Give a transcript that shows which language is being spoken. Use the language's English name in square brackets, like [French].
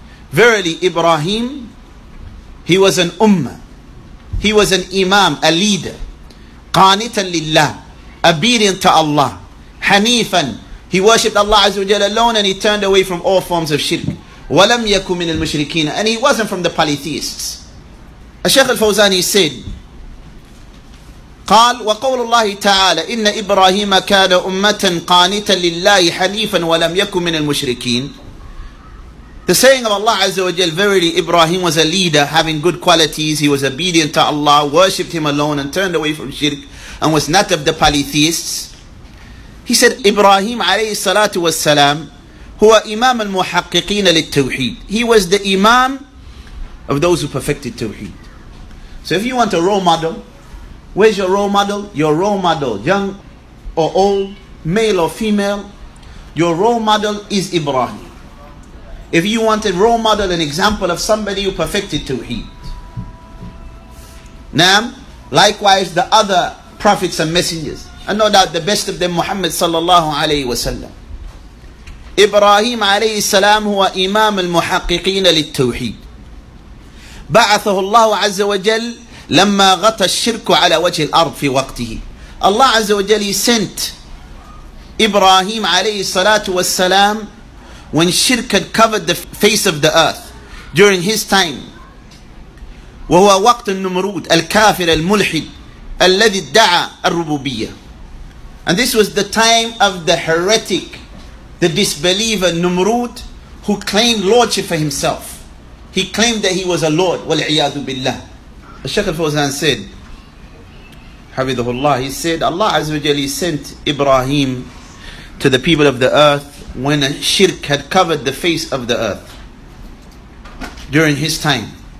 [English] Verily, Ibrahim, he was an ummah. He was an imam, a leader. [Arabic] Qanitan lillah, [English] obedient to Allah. Hanifan, he worshipped Allah Azza wa Jalla alone and he turned away from all forms of shirk. [Arabic] Walam yakun min al-mushrikeen, [English] and he wasn't from the polytheists. Shaykh al-Fawzani said, [Arabic] قال وقول الله تعالى إن إبراهيم كان أمة قانتا لله حنيفا ولم يكن من المشركين. [English] The saying of Allah Azza wa Jal, verily Ibrahim was a leader having good qualities, he was obedient to Allah, worshipped him alone and turned away from shirk and was not of the polytheists. He said, Ibrahim alayhi salatu was salam, [Arabic] huwa imam al-muhaqqiqin lit-tawheed. [English] He was the imam of those who perfected Tawheed. So if you want a role model, where's your role model? Your role model, young or old, male or female, your role model is Ibrahim. If you want a role model, an example of somebody who perfected Tawheed. Naam, likewise the other prophets and messengers. And no doubt the best of them, Muhammad sallallahu alayhi wa sallam. Ibrahim alayhi salam [Arabic] huwa imam al-muhaqqiqin lit-tawheed. بعثه الله عز وجل لما غطى الشرك على وجه الأرض في وقته. [English] الله عز وجل sent إبراهيم عليه الصلاة والسلام when shirk had covered the face of the earth during his time. [Arabic] وهو وقت النمرود الكافر الملحد الذي ادعى الربوبية. [English] And this was the time of the heretic, the disbeliever Numrud, who claimed lordship for himself. He claimed that he was a lord. [Arabic] وَالْعِيَاذُ بِاللَّهِ الشيخ الفوزان [English] said, [Arabic] حَفِظَهُ اللَّهِ, [English] he said, Allah Azza wa Jalla sent Ibrahim to the people of the earth when a shirk had covered the face of the earth during his time.